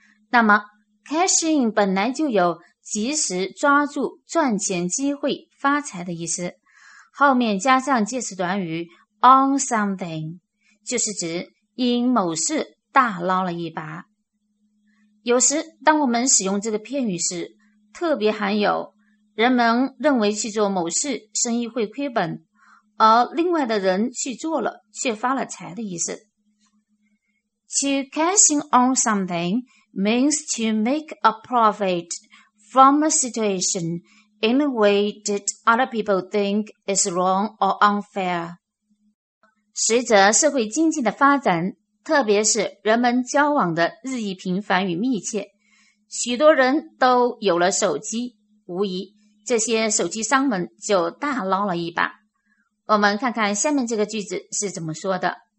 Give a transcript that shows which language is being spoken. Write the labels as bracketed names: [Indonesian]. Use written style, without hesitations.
[Chinese] 那么 cash in 本来就有及时抓住赚钱机会发财的意思，后面加上介词短语 on something 就是指因某事大捞了一把。有时当我们使用这个片语时，特别含有人们认为去做某事生意会亏本，而另外的人去做了却发了财的意思。 [English] To cashing on something means to make a profit from a situation in a way that other people think is wrong or unfair。 [Chinese] 随着社会经济的发展，特别是人们交往的日益频繁与密切，许多人都有了手机，无疑这些手机商们就大捞了一把。我们看看下面这个句子是怎么说的。